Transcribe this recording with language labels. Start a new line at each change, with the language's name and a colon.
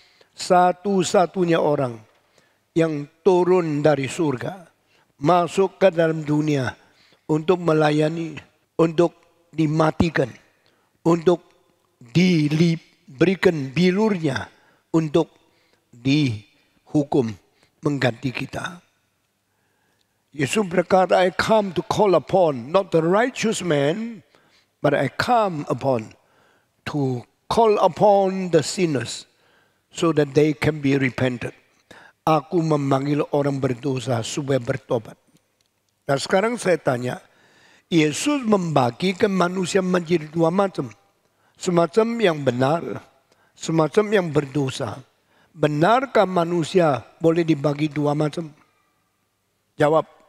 Indonesian: Satu-satunya orang yang turun dari surga. Masuk ke dalam dunia. Untuk melayani. Untuk dimatikan. Untuk diberikan bilurnya. Untuk dihukum mengganti kita. Yesus berkata,
English: I come to call upon not the righteous man, but I come upon to call upon the sinners so that they can be repented.
Indonesian: Aku memanggil orang berdosa supaya bertobat. Nah sekarang saya tanya, Yesus membagikan manusia menjadi dua macam. Semacam yang benar, semacam yang berdosa. Benarkah manusia boleh dibagi dua macam? Jawab.